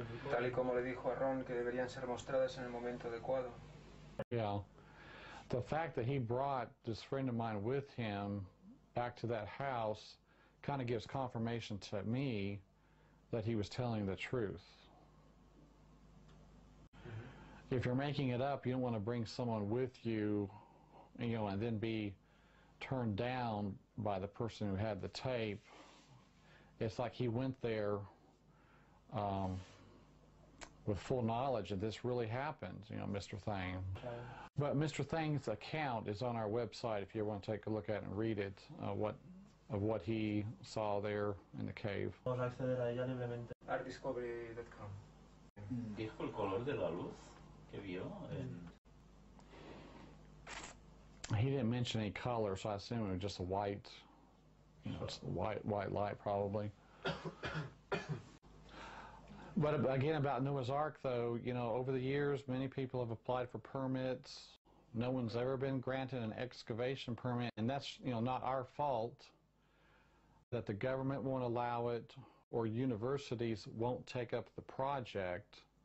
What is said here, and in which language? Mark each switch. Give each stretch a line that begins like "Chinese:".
Spanish: Tal y como le dijo a Ron que deberían ser mostradas en el momento adecuado.
English: Yeah. The fact that he brought this friend of mine with him back to that house kind of gives confirmation to me that he was telling the truth. Mm-hmm. If you're making it up, you don't want to bring someone with you, you know, and then be turned down by the person who had the tape. It's like he went there with full knowledge that this really happened, you know, Mr. Thane. Okay. But Mr. Thane's account is on our website if you want to take a look at it and read it, what he saw there in the cave.
Spanish: Vamos a acceder a ella libremente.
English: ArtDiscovery.com.
Spanish: ¿Dijo el color de la luz que vio?
English: He didn't mention any color, so I assume it was just a white, you know, just a white light probably. But again, about Noah's Ark, though, you know, over the years, many people have applied for permits. No one's ever been granted an excavation permit, and that's, you know, not our fault that the government won't allow it or universities won't take up the project.